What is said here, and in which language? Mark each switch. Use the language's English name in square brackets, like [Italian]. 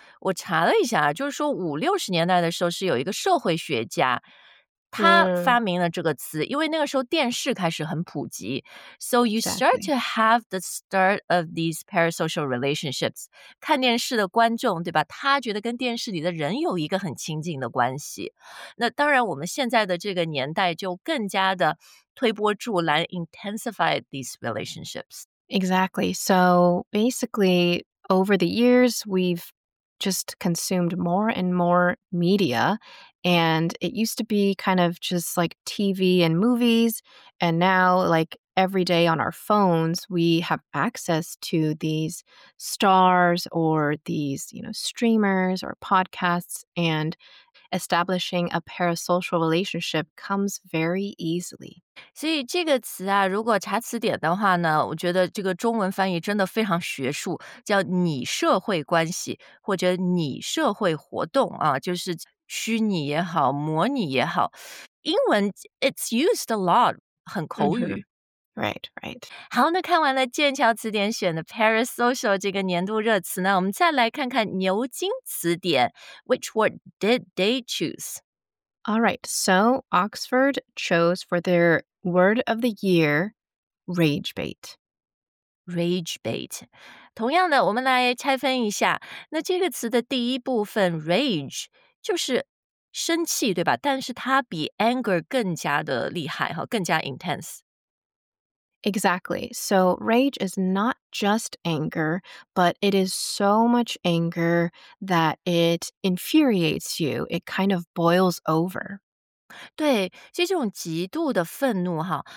[Chinese] 我查了一下，就是说五六十年代的时候是有一个社会学家，他发明了这个词，因为那个时候电视开始很普及。 [English] So you start to have the start of these parasocial relationships. [Chinese] 看电视的观众，对吧？他觉得跟电视里的人有一个很亲近的关系。那当然，我们现在的这个年代就更加的推波助澜 ， [English] intensify these relationships. Exactly. So basically, over the years, we've just consumed more and more media. And it used to be kind of just like TV and movies. And now, like every day on our phones, we have access to these stars or these, you know, streamers or podcasts. And establishing a parasocial relationship comes very easily. [Chinese] 所以这个词啊，如果查词典的话呢，我觉得这个中文翻译真的非常学术，叫拟社会关系或者拟社会活动啊，就是。虚拟也好，模拟也好，英文 [English] it's used a lot， [Chinese] 很口语。 [English] Mm-hmm. Right, right. [Chinese] 好，那看完了剑桥词典选的 parasocial 这个年度热词呢，我们再来看看牛津词典 ， [English] which word did they choose? All right, so Oxford chose for their word of the year, rage bait. Rage bait. [Chinese] 同样的，我们来拆分一下。那这个词的第一部分 rage 就是生气，对吧？但是它比 anger 更加的厉害，更加 intense。 [English] Exactly. So rage is not just anger, but it is so much anger that it infuriates you. It kind of boils over. [Chinese] 对，就这种极度的愤怒哈。